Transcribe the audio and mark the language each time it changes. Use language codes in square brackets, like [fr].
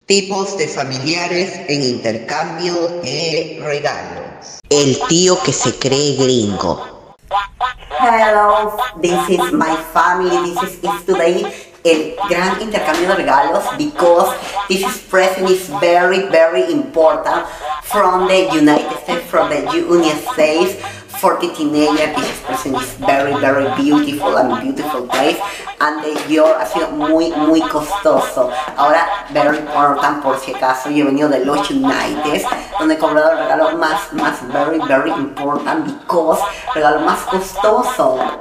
[es] Tipos de familiares en intercambio de regalos. El tío que se cree gringo. [en] Hello, this is my family. This is today [es] el gran intercambio de regalos [en] because this present is very, very important from the United States, from the United States for the teenager. This present is very, very beautiful and beautiful place. [es] And yo ha sido muy, muy costoso. Ahora, [en] very important [es] por si acaso, yo he venido de los United, donde he comprado el regalo más, [en] very, very important because [es] regalo más costoso.